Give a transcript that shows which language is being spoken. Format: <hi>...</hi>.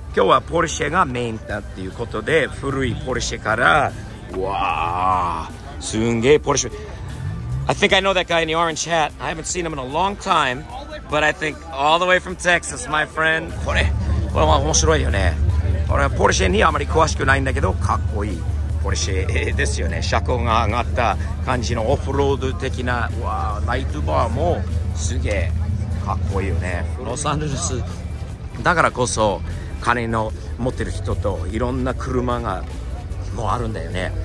<ja>今日はポルシェがメインだっていうことで、古いポルシェから、わー、すんげーポルシェ。</ja> <en>I think I know that guy in the orange hat. I haven't seen him in a long time, but I think all the way from Texas, my friend.</en> <ja>これは面白いよね。俺はポルシェにあまり詳しくないんだけど、かっこいいポルシェですよね。車高が上がった感じのオフロード的な、わあ、ライトバーもすげえかっこいいよね。ロサンゼルスだからこそ金の持ってる人といろんな車がもうあるんだよね。</ja>